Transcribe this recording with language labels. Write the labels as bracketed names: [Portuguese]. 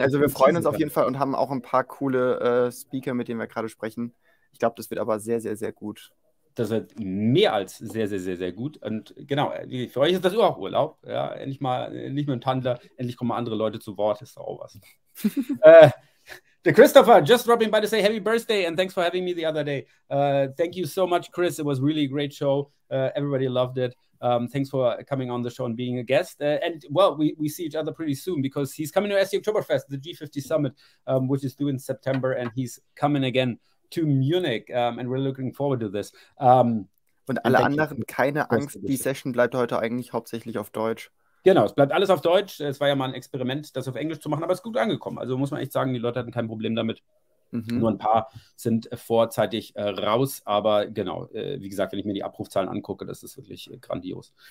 [German] also wir freuen uns auf jeden Fall und haben auch ein paar coole Speaker, mit denen wir gerade sprechen. Ich glaube, das wird aber sehr, sehr, sehr gut. Das wird mehr als sehr, sehr, sehr, sehr gut. Und genau, für euch ist das überhaupt Urlaub. Ja, endlich mal, nicht mehr ein Tandler, endlich kommen mal andere Leute zu Wort. Ist auch was. [English] Der Christopher, just dropping by to say happy birthday and thanks for having me the other day. Thank you so much, Chris. It was really a great show. Everybody loved it. Thanks for coming on the show and being a guest. And well, we see each other pretty soon because he's coming to SE Oktoberfest, the G50 Summit, which is due in September. And he's coming again to Munich, and we're looking forward to this. [German] Und alle anderen, keine Angst, die Session bleibt heute eigentlich hauptsächlich auf Deutsch. Genau, es bleibt alles auf Deutsch. Es war ja mal ein Experiment, das auf Englisch zu machen, aber es ist gut angekommen. Also muss man echt sagen, die Leute hatten kein Problem damit. Mhm. Nur ein paar sind vorzeitig raus, aber genau, wie gesagt, wenn ich mir die Abrufzahlen angucke, das ist wirklich grandios.